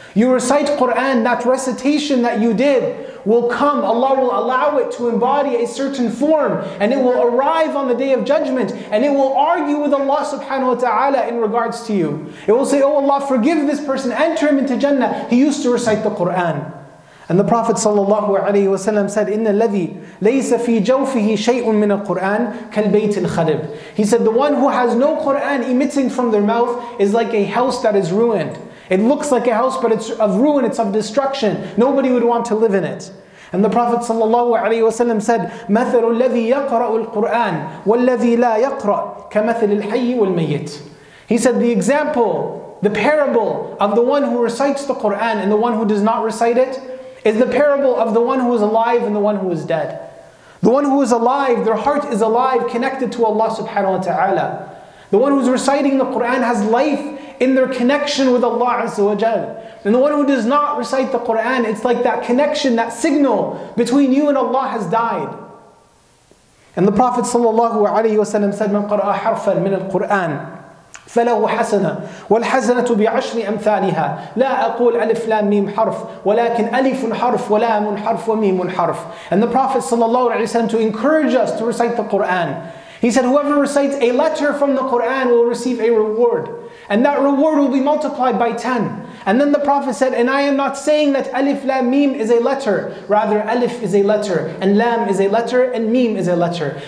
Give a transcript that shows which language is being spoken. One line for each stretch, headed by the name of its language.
English: You recite Qur'an, that recitation that you did will come, Allah will allow it to embody a certain form, and it will arrive on the Day of Judgment, and it will argue with Allah subhanahu wa ta'ala in regards to you. It will say, oh Allah, forgive this person, enter him into Jannah. He used to recite the Qur'an. And the Prophet sallallahu alayhi wa sallam said,
Arabic: إِنَّ الَّذِي لَيْسَ فِي جَوْفِهِ شَيْءٌ مِّنَ الْقُرْآنِ كَالْبَيْتِ الْخَرِبِ.
English: He said, the one who has no Qur'an emitting from their mouth is like a house that is ruined. It looks like a house, but it's of ruin, it's of destruction. Nobody would want to live in it. And the Prophet sallallahu alayhi wa sallam said,
Arabic: مَثَلُ الَّذِي يَقْرَأُ الْقُرْآنِ وَالَّذِي لَا يَقْرَأُ كَمَثَلِ الْحَيِّ وَالْمَيِّتِ.
English: He said, the example, the parable of the one who recites the Qur'an and the one who does not recite it, is the parable of the one who is alive and the one who is dead. The one who is alive, their heart is alive, connected to Allah subhanahu wa ta'ala. The one who is reciting the Qur'an has life in their connection with Allah azza wa jal. And the one who does not recite the Qur'an, it's like that connection, that signal between you and Allah has died. And the Prophet sallallahu alayhi wa sallam said,
Arabic: مَنْ قَرَأَ حَرْفًا مِنَ الْقُرْآنِ فَلَهُ حَسَنَةً وَالْحَسَنَةُ بِعَشْرِ أَمْثَالِهَا لَا أَقُولْ أَلِفْ لَا مِيمْ حَرْفْ وَلَكِنْ أَلِفٌ حَرْفْ وَلَا مُنْ حَرْفْ وَمِيمٌ حَرْفْ.
English: And the Prophet sallallahu alayhi wa sallam to encourage us to recite the Qur'an. He said, whoever recites a letter from the Qur'an will receive a reward. And that reward will be multiplied by 10. And then the Prophet said, and I am not saying that alif, lam, meem is a letter. Rather, alif is a letter, and lam is a letter, and meem is a letter.